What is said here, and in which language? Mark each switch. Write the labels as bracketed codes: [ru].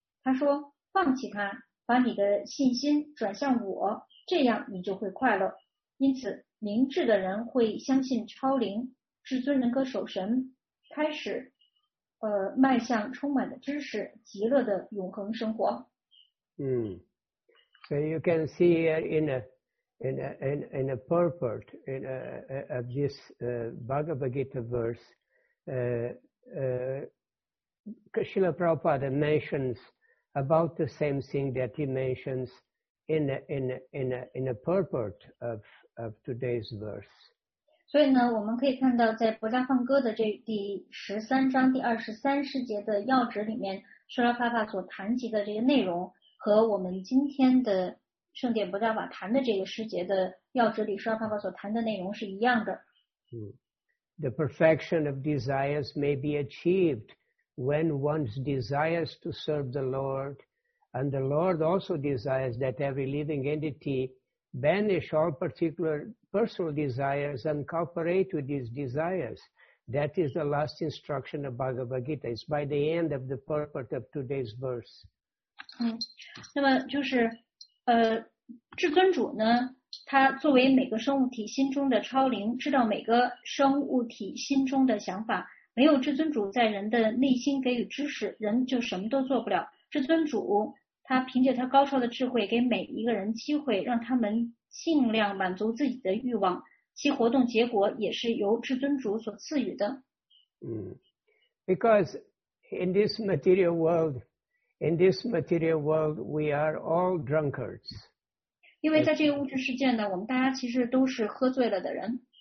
[zh] 他说，放弃他，把你的信心转向我，这样你就会快乐。因此明智的人会相信超灵，至尊人格守神，开始迈向充满的知识，极乐的永恒生活。 [en] So you can see here in a purport in of this Bhagavad Gita verse, Srila Prabhupada mentions about the same thing that he mentions in a purport of today's verse. [zh] 所以呢，我们可以看到，在《博迦梵歌》的这第十三章第二十三世节的要旨里面，舍拉帕帕所谈及的这个内容，和我们今天的圣典博迦瓦谈的这个世节的要旨里，舍拉帕帕所谈的内容是一样的。 [en] The perfection of desires may be achieved when one's desires to serve the Lord, and the Lord also desires that every living entity banish all particular personal desires and cooperate with these desires. That is the last instruction of Bhagavad Gita. It's by the end of the purport of today's verse. [zh] 那么就是至尊主呢，他作为每个生物体心中的超灵，知道每个生物体心中的想法，没有至尊主在人的内心给予知识，人就什么都做不了。至尊主他凭借他高超的智慧给每一个人机会，让他们尽量满足自己的欲望，其活动结果也是由至尊主所赐予的。 [en] Because in this material world, in this material world, we are all drunkards. [zh] 因为在这个物质世界呢，我们大家其实都是喝醉了的人。